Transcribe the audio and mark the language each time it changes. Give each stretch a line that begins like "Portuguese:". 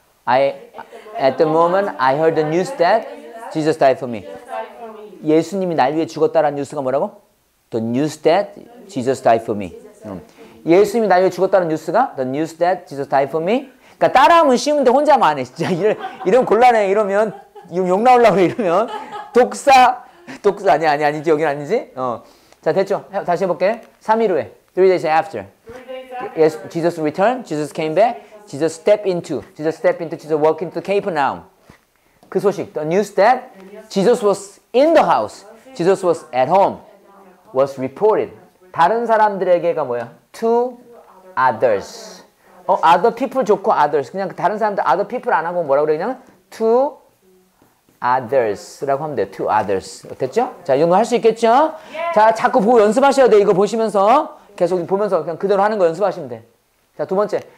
English: At the moment, I heard the news that Jesus died for me.
Korean: 예수님이 날 위해 죽었다라는 뉴스가 뭐라고?
English: The news that Jesus died for me.
Korean: 예수님이 날 위해 죽었다는 뉴스가
English: The news that Jesus died for me.
Korean: 그러니까 따라하면 쉬운데 혼자만 안 해, 진짜. 이러면 곤란해, 이러면. 욕 나오려고 이러면 독사 아니지, 여긴 아니지. 자, 됐죠? 다시 해볼게. 3일 후에,
English: three days after, yes, Jesus returned, Jesus came back, Jesus stepped into, Jesus walked into Capernaum.
Korean: 그 소식,
English: the news that Jesus was in the house, Jesus was at home, was reported.
Korean: 다른 사람들에게가 뭐야?
English: To others. Other people 좋고 others.
Korean: 그냥 다른 사람들, other people 안 하고 뭐라고 그래? 그냥 to others라고 하면 돼요.
English: To others.
Korean: 됐죠? 자, 이 정도 할 수 있겠죠? Yeah. 자, 자꾸 보고 연습하셔야 돼. 이거 보시면서. 계속 보면서 그냥 그대로 하는 거 연습하시면 돼. 자, 두 번째.